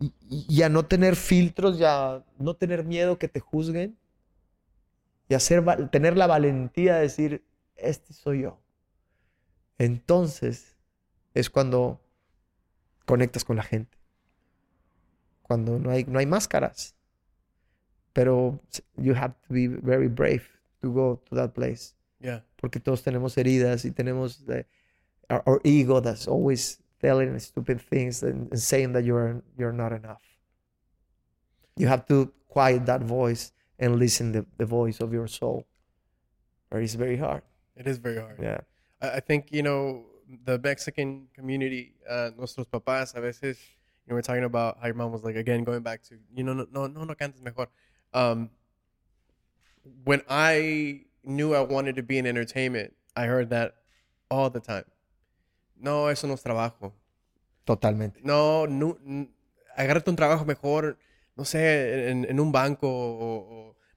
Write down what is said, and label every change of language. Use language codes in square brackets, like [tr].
[es] Y a no tener filtros. Y a no tener miedo que te juzguen. Y tener la valentía de decir, este soy yo. Entonces, es cuando conectas con la gente. Cuando no hay máscaras. Pero [en] you have to be very brave to go to that place. Yeah. [es] Porque todos tenemos heridas y tenemos [en] our ego that's always telling stupid things and saying that you're not enough. You have to quiet that voice and listen to the voice of your soul. But it's very hard. It is very hard. Yeah. I think, you know, the Mexican community, [es] nuestros papás, a veces, [en] you know, we're talking about how your mom was like, again, going back to, you know, [es] no cantes mejor. [en] When I knew I wanted to be in entertainment, I heard that all the time. [es] No, eso no es trabajo. Totalmente. No, agárrate un trabajo mejor, no sé, en un banco.